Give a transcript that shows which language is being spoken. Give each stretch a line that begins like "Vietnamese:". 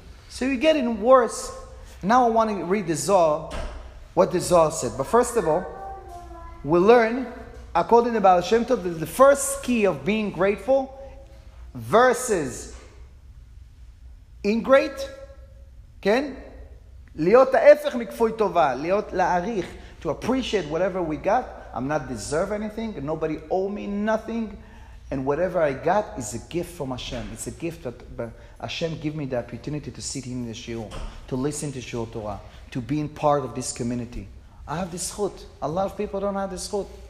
English: So you're getting worse. Now I want to read the Zohar, what the Zohar said. But first of all, we learn, according to Baal Shem Tov, the first key of being grateful versus ingrate.
Hebrew: Ken, להיות ההפך מכפוי טובה, להיות להעריך,
English: to appreciate whatever we got. I'm not deserve anything, nobody owe me nothing, and whatever I got is a gift from Hashem. It's a gift that Hashem give me the opportunity to sit in the shiur, to listen to shiur Torah, to being part of this community. I have this chut. A lot of people don't have this chut.